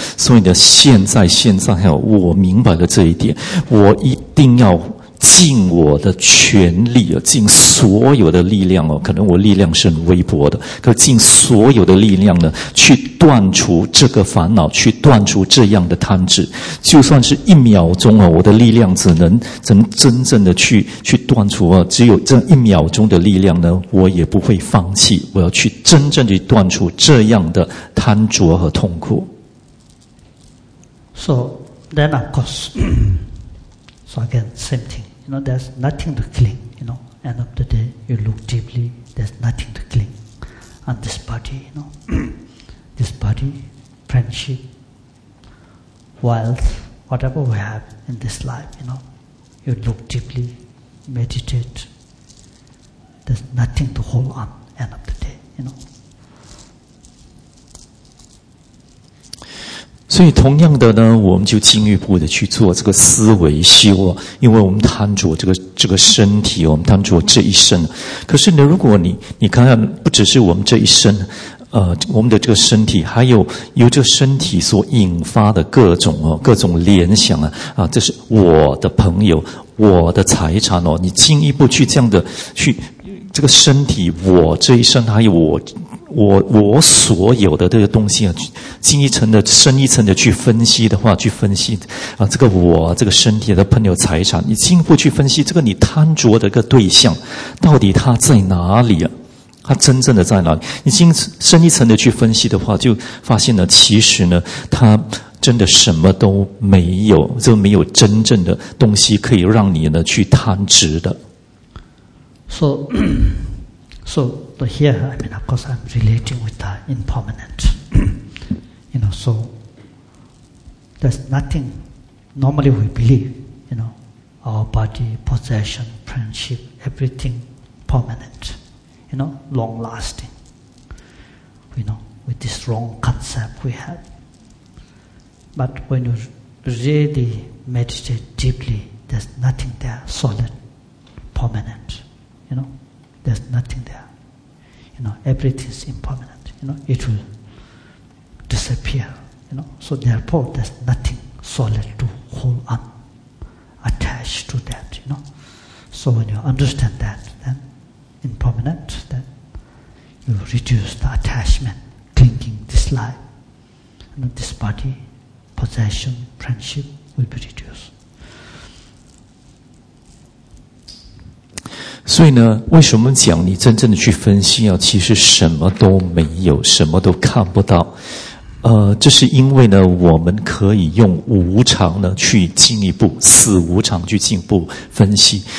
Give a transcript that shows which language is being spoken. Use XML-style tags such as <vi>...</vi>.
<zh>所以呢，现在还有，我明白了这一点，我一定要尽我的全力，尽所有的力量，可能我力量是很微薄的，可尽所有的力量呢，去断除这个烦恼，去断除这样的贪执，就算是一秒钟，我的力量只能真正的去断除，只有这一秒钟的力量呢，我也不会放弃，我要去真正的断除这样的贪着和痛苦。</zh> <en>So then of course So again, same thing. You know, there's nothing to cling. You know, end of the day, you look deeply, there's nothing to cling. And this body, you know, this body, friendship, wealth, whatever we have in this life, you know, you look deeply, meditate, there's nothing to hold on, end of the day, you know.</en> <zh>所以同样的呢，我们就进一步的去做这个思维修啊，因为我们贪着这个身体，我们贪着这一生。可是呢，如果你看看，不只是我们这一生，我们的这个身体，还有由这个身体所引发的各种联想啊，这是我的朋友，我的财产哦，你进一步去这样的去这个身体，我这一生还有我所有的这个东西啊，进一层的深一层的去分析的话，去分析啊，这个我这个身体的朋友财产，你进一步去分析这个你贪着的一个对象，到底他在哪里啊？他真正的在哪里？你进深一层的去分析的话，就发现呢，其实呢，他真的什么都没有，就没有真正的东西可以让你呢去贪执的。</zh> <en>So the here, I mean, of course, I'm relating with the impermanent. You know, so there's nothing. Normally, we believe, you know, our body, possession, friendship, everything permanent. You know, long lasting. You know, with this wrong concept we have. But when you really meditate deeply, there's nothing there, solid, permanent. You know, there's nothing there. You know, everything's impermanent. You know, it will disappear. You know, so therefore, there's nothing solid to hold on, attached to that. You know, so when you understand that, then impermanent, then you reduce the attachment, clinging this life, you know, this body, possession, friendship will be reduced.</en> <zh>所以呢，为什么讲你真正的去分析啊？其实什么都没有，什么都看不到。这是因为呢，我们可以用无常呢去进一步，死无常去进一步分析。</zh>